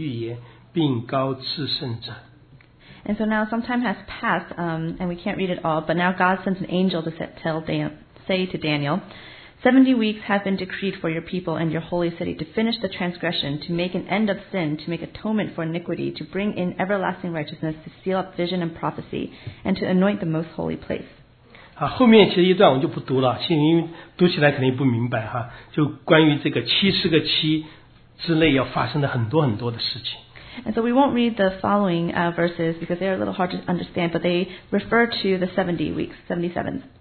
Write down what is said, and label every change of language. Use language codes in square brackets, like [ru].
[zh] 为你本国之民和你圣城已经定了70个期，要止住罪过，除尽罪恶，赎尽罪孽，引进永义，封住异象和预言，并高至圣者。 [en] And so now some time has passed, and we can't read it all, but now God sends an angel to say to Daniel, 70 weeks have been decreed for your people and your holy city to finish the transgression, to make an end of sin, to make atonement for iniquity, to bring in everlasting righteousness, to seal up vision and prophecy, and to anoint the most holy place. [zh] 后面其实一段我就不读了，因为读起来肯定不明白，就关于这个七十个七之内要发生的很多很多的事情。 [en] And so we won't read the following verses because they are a little hard to understand, but they refer to the 70 weeks, 77th.